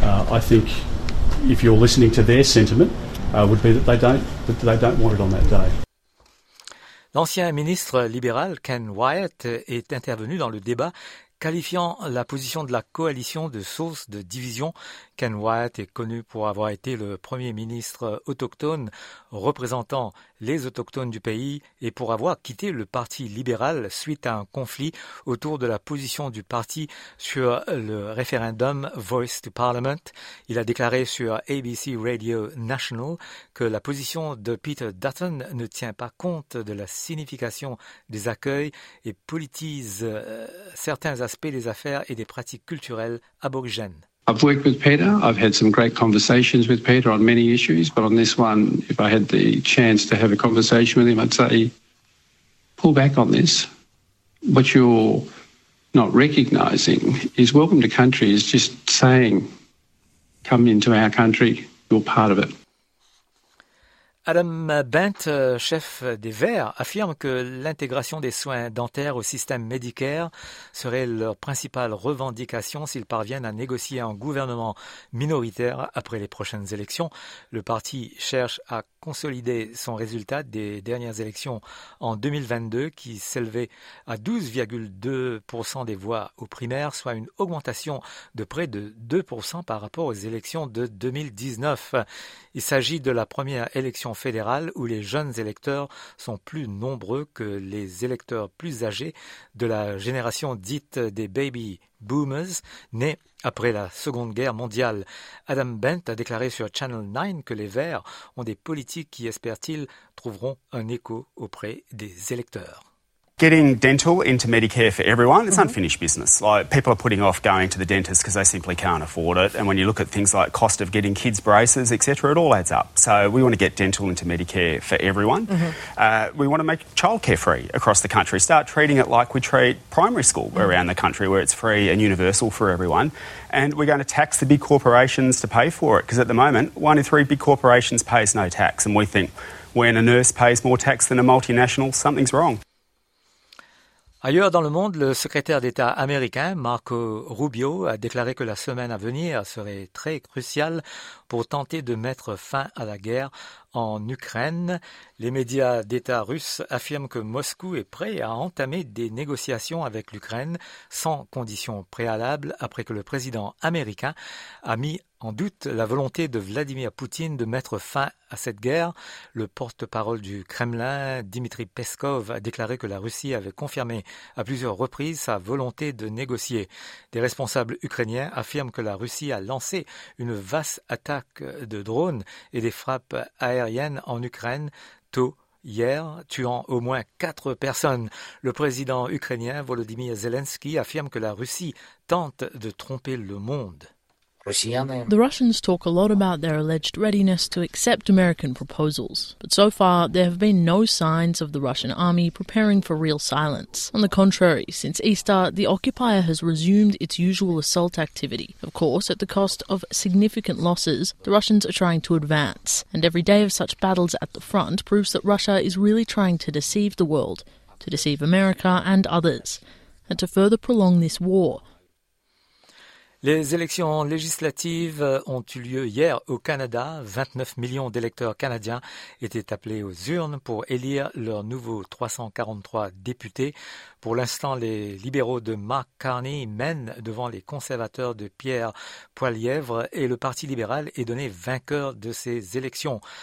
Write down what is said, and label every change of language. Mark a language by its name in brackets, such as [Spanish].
[English] I think if you're listening to their sentiment, would be that they don't want it on that day. [French] L'ancien ministre libéral Ken Wyatt est intervenu dans le débat, qualifiant la position de la coalition de source de division. Ken Wyatt est connu pour avoir été le premier ministre autochtone représentant les autochtones du pays et pour avoir quitté le parti libéral suite à un conflit autour de la position du parti sur le référendum Voice to Parliament. Il a déclaré sur ABC Radio National que la position de Peter Dutton ne tient pas compte de la signification des accueils et politise certains aspects des affaires et des pratiques culturelles aborigènes. [English] I've worked with Peter. I've had some great conversations with Peter on many issues, but on this one, if I had the chance to have a conversation with him, I'd say, pull back on this. What you're not recognising is welcome to country is just saying, come into our country, you're part of it. [French] Adam Bent, chef des Verts, affirme que l'intégration des soins dentaires au système Medicare serait leur principale revendication s'ils parviennent à négocier un gouvernement minoritaire après les prochaines élections. Le parti cherche à consolider son résultat des dernières élections en 2022 qui s'élevait à 12,2% des voix aux primaires, soit une augmentation de près de 2% par rapport aux élections de 2019. Il s'agit de la première élection fédérale où les jeunes électeurs sont plus nombreux que les électeurs plus âgés de la génération dite des baby boomers nés après la Seconde Guerre mondiale. Adam Bent a déclaré sur Channel 9 que les Verts ont des politiques qui, espère-t-il, trouveront un écho auprès des électeurs. [English] Getting dental into Medicare for everyone, it's unfinished business. Like, people are putting off going to the dentist because they simply can't afford it. And when you look at things like cost of getting kids braces, etc., it all adds up. So we want to get dental into Medicare for everyone. We want to make childcare free across the country. Start treating it like we treat primary school around the country, where it's free and universal for everyone. And we're going to tax the big corporations to pay for it, because at the moment, one in three big corporations pays no tax. And we think when a nurse pays more tax than a multinational, something's wrong. [French] Ailleurs dans le monde, le secrétaire d'État américain Marco Rubio a déclaré que la semaine à venir serait très cruciale pour tenter de mettre fin à la guerre en Ukraine. Les médias d'État russes affirment que Moscou est prêt à entamer des négociations avec l'Ukraine sans condition préalable après que le président américain a mis en doute la volonté de Vladimir Poutine de mettre fin à cette guerre. Le porte-parole du Kremlin, Dmitri Peskov, a déclaré que la Russie avait confirmé à plusieurs reprises sa volonté de négocier. Des responsables ukrainiens affirment que la Russie a lancé une vaste attaque de drones et des frappes aériennes en Ukraine tôt hier, tuant au moins 4 personnes. Le président ukrainien Volodymyr Zelensky affirme que la Russie tente de tromper le monde. [English] The Russians talk a lot about their alleged readiness to accept American proposals, but so far there have been no signs of the Russian army preparing for real silence. On the contrary, since Easter, the occupier has resumed its usual assault activity. Of course, at the cost of significant losses, the Russians are trying to advance, and every day of such battles at the front proves that Russia is really trying to deceive the world, to deceive America and others, and to further prolong this war. [French] Les élections législatives ont eu lieu hier au Canada. 29 millions d'électeurs canadiens étaient appelés aux urnes pour élire leurs nouveaux 343 députés. Pour l'instant, les libéraux de Mark Carney mènent devant les conservateurs de Pierre Poilievre et le Parti libéral est donné vainqueur de ces élections.